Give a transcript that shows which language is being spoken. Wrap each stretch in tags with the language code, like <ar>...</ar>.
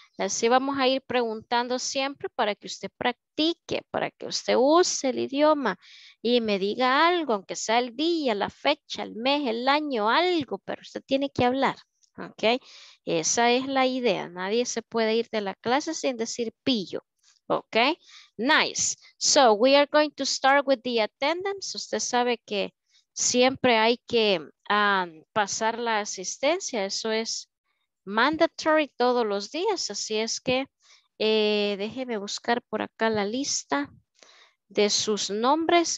<es>Así vamos a ir preguntando siempre para que usted practique, para que usted use el idioma y me diga algo, aunque sea el día, la fecha, el mes, el año, algo, pero usted tiene que hablar. Ok, esa es la idea. Nadie se puede ir de la clase sin decir pillo.</es> <en>Ok, nice. So we are going to start with the attendance.</en> <es>Usted sabe que siempre hay que pasar la asistencia. Eso es mandatory todos los días. Así es que déjeme buscar por acá la lista de sus nombres.</es>